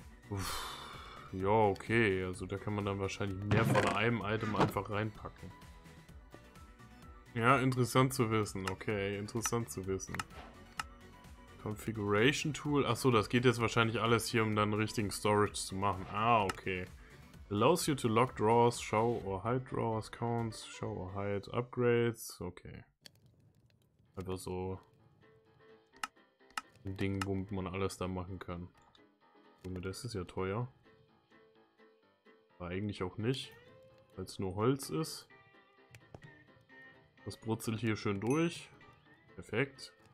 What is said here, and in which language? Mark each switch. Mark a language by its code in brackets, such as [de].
[de] Uff, ja, okay, also da kann man dann wahrscheinlich mehr von einem Item einfach reinpacken. Ja, interessant zu wissen, okay, interessant zu wissen. Configuration Tool, achso, das geht jetzt wahrscheinlich alles hier, um dann richtigen Storage zu machen. Ah, okay. [en] Allows you to lock drawers, show or hide drawers, counts, show or hide upgrades, okay. [de] Einfach so ein Ding, womit man alles da machen kann. Das ist ja teuer. Aber eigentlich auch nicht, weil es nur Holz ist. Das brutzelt hier schön durch. Perfekt.